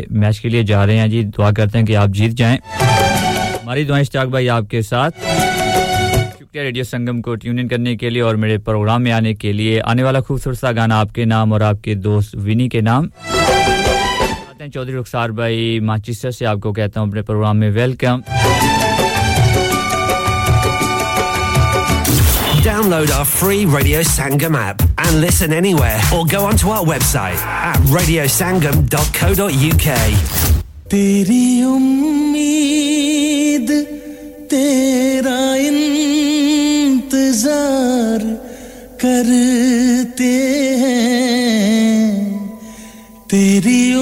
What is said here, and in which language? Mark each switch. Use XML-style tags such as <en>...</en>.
<ur>match کے لیے جا رہے ہیں جی دعا کرتے ہیں کہ آپ جیت جائیں ہماری دعائیں اشتیاق بھائی آپ کے ساتھ شکریہ ریڈیو سنگم کو ٹیون ان کرنے کے لیے اور میرے پروگرام میں آنے کے لیے آنے والا خوبصورت سا گانا آپ کے نام اور آپ کے دوست وینی کے نام چودری رخسار بھائی ماچسٹر سے آپ کو کہتا ہوں اپنے پروگرام میں welcome</ur> <en>Download our free Radio Sangam app and listen anywhere or go onto our website at radiosangam.co.uk</en> <ur>تیری امید تیرا انتظار کرتے ہیں تیری</ur>